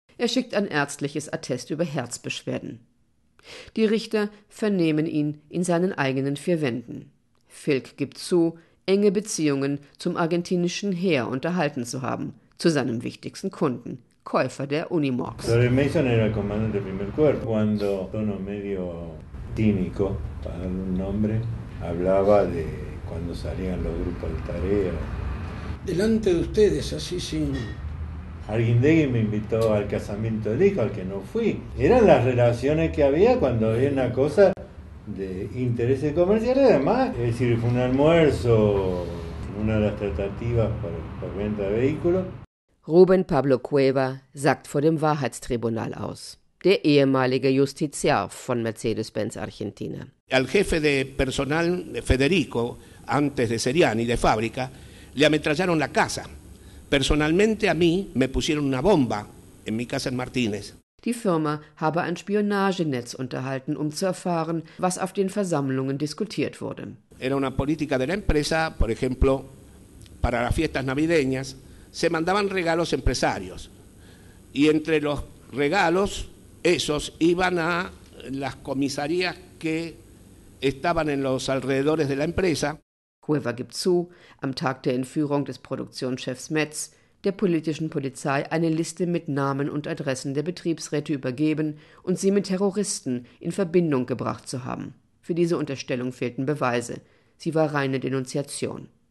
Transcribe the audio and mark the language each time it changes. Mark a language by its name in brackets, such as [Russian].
[German] Er schickt ein ärztliches Attest über Herzbeschwerden. Die Richter vernehmen ihn in seinen eigenen vier Wänden. Filk gibt zu, enge Beziehungen zum argentinischen Heer unterhalten zu haben, zu seinem wichtigsten Kunden, Käufer der Unimogs. [Spanish] Larry Mason era el comandante del primer cuerpo, cuando tono medio tímico, para darle un nombre, hablaba de cuando salían los grupos de tarea. Delante de ustedes, así sin... Arguindegui me invitó al casamiento del hijo, al que no fui. Eran las relaciones que había cuando había una cosa... de intereses comerciales, además, es decir, fue un almuerzo, una de las tratativas por venta de vehículo. [German] Ruben Pablo Cueva sagt vor dem Wahrheitstribunal aus, der ehemalige Justiziar von Mercedes-Benz Argentina. [Spanish] Al jefe de personal Federico, antes de Seriani, de fábrica, le ametrallaron la casa. Personalmente a mí me pusieron una bomba en mi casa en Martínez. [German] Die Firma habe ein Spionagenetz unterhalten, um zu erfahren, was auf den Versammlungen diskutiert wurde. [Spanish] Era una política de la empresa, por ejemplo, para las fiestas navideñas, se mandaban regalos empresarios. Y entre los regalos, esos iban a las comisarías que estaban en los alrededores de la empresa. [German] Cueva gibt zu, am Tag der Entführung des Produktionschefs Metz, der politischen Polizei eine Liste mit Namen und Adressen der Betriebsräte übergeben und sie mit Terroristen in Verbindung gebracht zu haben. Für diese Unterstellung fehlten Beweise. Sie war reine Denunziation.